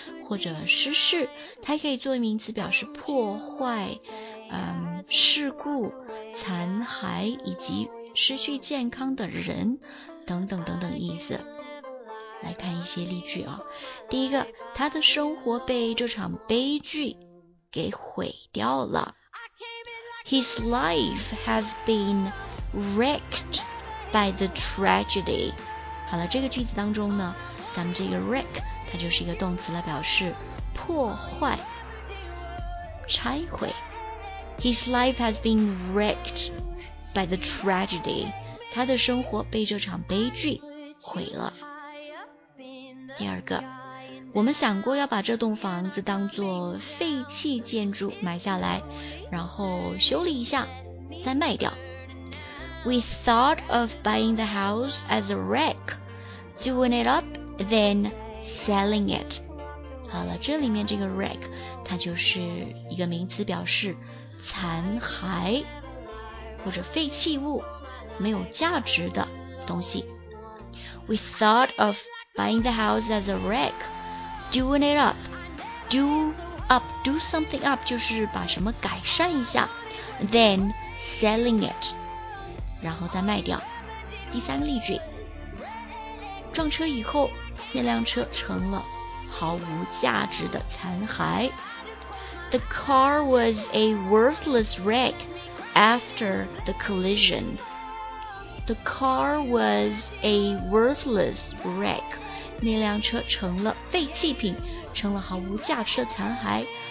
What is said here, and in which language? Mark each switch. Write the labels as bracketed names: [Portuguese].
[Chinese] 或者失事，它可以作为名词表示破坏、事故、残骸以及失去健康的人等等等等意思。来看一些例句啊。第一个，他的生活被这场悲剧给毁掉了。 [English] His life has been wrecked by the tragedy. [Chinese] 好了，这个句子当中呢，咱们这个 wreck 它就是一个动词来表示破坏、拆毁。 [English] His life has been wrecked by the tragedy. [Chinese] 他的生活被这场悲剧毁了。第二个，我们想过要把这栋房子当作废弃建筑买下来，然后修理一下，再卖掉。 [English] We thought of buying the house as a wreck, doing it up, then selling it. [Chinese] 好了，这里面这个 wreck 它就是一个名词，表示残骸或者废弃物，没有价值的东西。 [English] We thought of buying the house as a wreck, doing it up, do something up [Chinese] 就是把什么改善一下 [English] ，then selling it， [Chinese] 然后再卖掉。第三个例句，撞车以后，那辆车成了毫无价值的残骸。 [English] The car was a worthless wreck after the collision. The car was a worthless wreck. [Chinese] 那辆车成了废弃品，成了毫无价值的残骸。